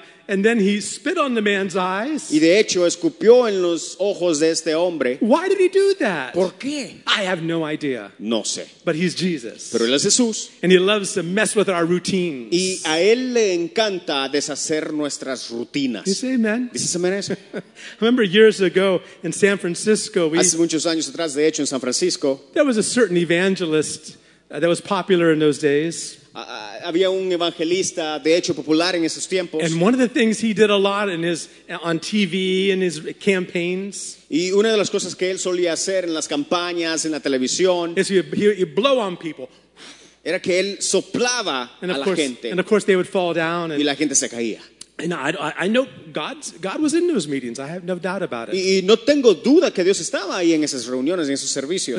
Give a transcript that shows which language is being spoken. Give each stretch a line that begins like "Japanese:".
English: And then he spit on the man's eyes.
Spanish: Y de hecho escupió en los ojos de este hombre.
English: Why did he do that?
Spanish: ¿Por qué?
English: I have no idea.
Spanish: No sé.
English: But he's Jesus.
Spanish: Pero él es Jesús.
English: And he loves to mess with our routines.
Spanish: Y a él le encanta deshacer nuestras rutinas.
English: You say amen?
Spanish: ¿Dices amen a eso?
English: Remember years ago in San Francisco.
Spanish: Hace muchos años atrás, de hecho, en San Francisco.
English: There was a certain evangelist that was popular in those days.
Spanish: Había un evangelista, de hecho, popular en esos tiempos.
English: And one of the things he did a lot in his on TV in his campaigns.
Spanish: Y una de las cosas que él solía hacer en las campañas, en la televisión,
English: is he blow on people.
Spanish: Era que él soplaba
English: and
Spanish: a
English: course,
Spanish: la gente.
English: And of course, they would fall down. And,
Spanish: y la gente se caía.
English: And I know God was in those meetings. I have no doubt about it.
Spanish: Y no tengo duda que Dios estaba ahí en esas reuniones, en esos servicios.